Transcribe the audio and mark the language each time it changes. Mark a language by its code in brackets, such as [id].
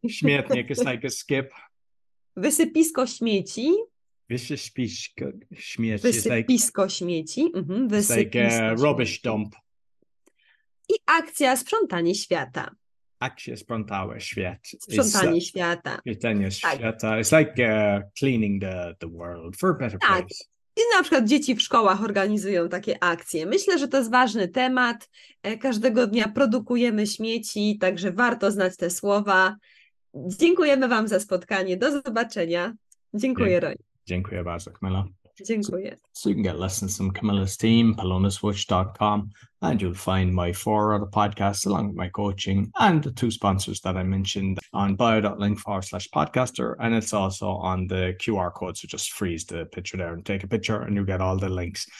[en] Śmietnik, it's like a skip. [pl] Wysypisko śmieci. Wyrzucia śmieci, [en] it's like. [pl] Wysypisko śmieci. [en] It's like [pl] Wysypisko [en] rubbish [pl] śmieci. [en] dump. [pl] I akcja sprzątanie świata. Jak się sprzątałeś świat? Sprzątanie świata. Pytanie Tak. świata. [en] It's like cleaning the world for a better [pl] Tak. [en] place. [pl] I na przykład dzieci w szkołach organizują takie akcje. Myślę, że to jest ważny temat. Każdego dnia produkujemy śmieci, także warto znać te słowa. Dziękujemy Wam za spotkanie. Do zobaczenia. Dziękuję, Roni. Dziękuję bardzo, Kamila. Dziękuję. [en] So you can get lessons from Camilla's team, PalonasWatch.com, and you'll find my four other podcasts along with my coaching and the two sponsors that I mentioned on bio.link/podcaster. And it's also on the QR code. So just freeze the picture there and take a picture and you get all the links.